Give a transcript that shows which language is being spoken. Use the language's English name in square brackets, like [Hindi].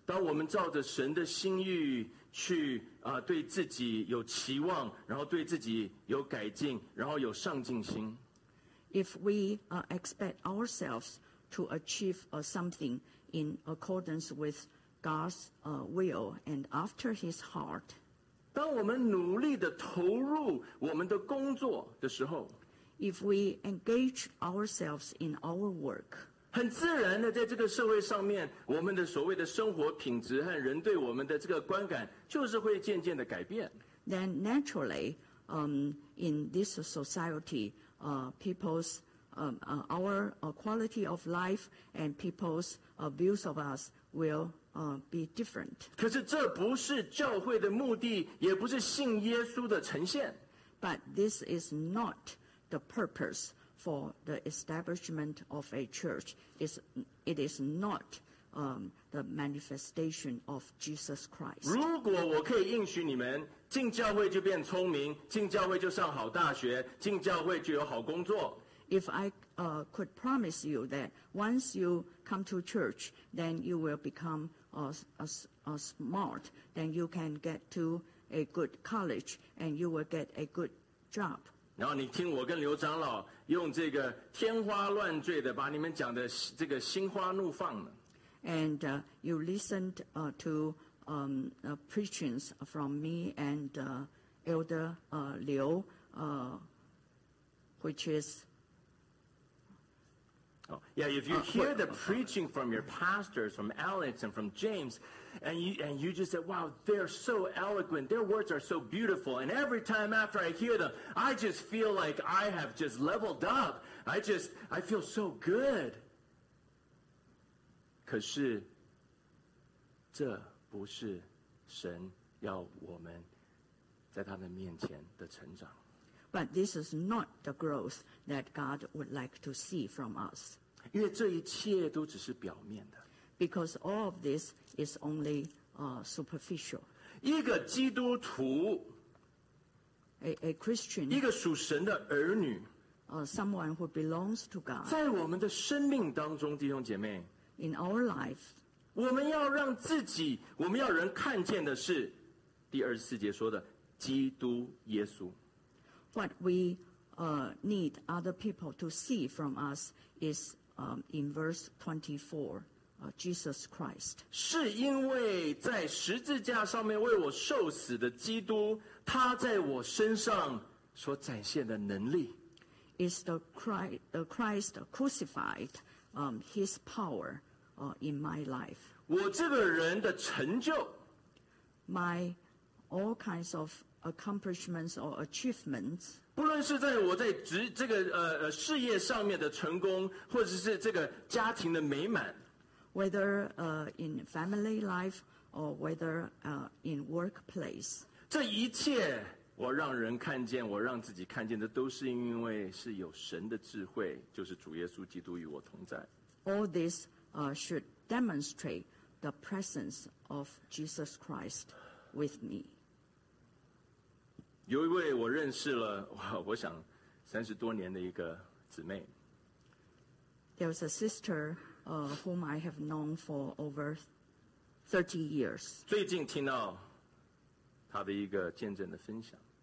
[Chinese] 当我们照着神的心意去对自己有期望，然后对自己有改进，然后有上进心。 [English] If we expect ourselves to achieve something in accordance with God's will and after His heart, [Chinese] 当我们努力地投入我们的工作的时候， [English] If we engage ourselves in our work, [Chinese] 很自然地在这个社会上面，我们的所谓的生活品质和人对我们的这个观感就是会渐渐地改变。 [English] Then naturally, in this society,people's our quality of life and people's views of us will be different. [Chinese] 可是这不是教会的目的，也不是信耶稣的呈现。 [English] But this is not the purpose for the establishment of a church. It is not the manifestation of Jesus Christ. [Chinese] 如果我可以应许你们进教会就变聪明，进教会就上好大学，进教会就有好工作。 [English] If I could promise you that once you come to church, then you will become smart, then you can get to a good college, and you will get a good job. [Chinese] 然后你听我跟刘长老用这个天花乱坠的把你们讲的这个心花怒放了。 [English] And you listened to preachings from me and Elder Liu, which is... Oh, yeah, if you hear the preaching from your pastors, from Alex and from James, and you just say, wow, they're so eloquent, their words are so beautiful, and every time after I hear them, I just feel like I have just leveled up. I feel so good. [Chinese] 可是这不是神要我们在他的面前的成长。 [English] But this is not the growth that God would like to see from us. [Chinese] 因为这一切都只是表面的。 [English] Because all of this is only superficial. [Chinese] 一个基督徒， [English] a Christian, [Chinese] 一个属神的儿女， [English] someone who belongs to God, [Chinese] 在我们的生命当中，弟兄姐妹， [English] In our life, [Chinese] 我们要让自己，我们要人看见的是第二十四节说的基督耶稣。 [English] What we need other people to see from us is in verse 24, Jesus Christ. [Chinese] 是因为在十字架上面为我受死的基督，他在我身上所展现的能力。 [English] Is the Christ crucified, his power. In my life, [Chinese] 我这个人的成就， [English] my all kinds of accomplishments or achievements, [Chinese] 不论是在我在这个事业上面的成功，或者是这个家庭的美满， [English] whether in family life or whether in workplace, [Chinese] 这一切我让人看见，我让自己看见的，都是因为是有神的智慧，就是主耶稣基督与我同在。 [English] All this. Should demonstrate the presence of Jesus Christ with me. [Chinese] 有一位我认识了，我想三十多年的一个姊妹。 [English] There's a sister whom I have known for over 30 years. [Chinese] 最近听到她的一个见证的分享。